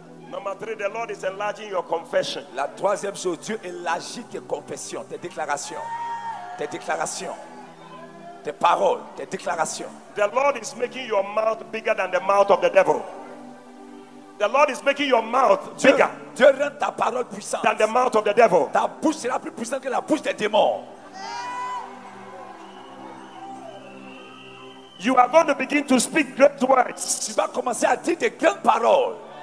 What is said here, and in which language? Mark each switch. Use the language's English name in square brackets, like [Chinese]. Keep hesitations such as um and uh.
[English] Number three, the Lord is enlarging your confession. [French] La troisième chose, Dieu élargit tes confessions, tes déclarations, tes déclarations, tes déclaration, paroles, tes déclarations. [English] The Lord is making your mouth bigger than the mouth of the devil. The Lord is making your mouth Dieu, bigger Dieu than the mouth of the devil. [French] Ta bouche sera plus puissante que la bouche des démons. [English] You are going to begin to speak great words. [French] Tu vas commencer à dire des grandes paroles.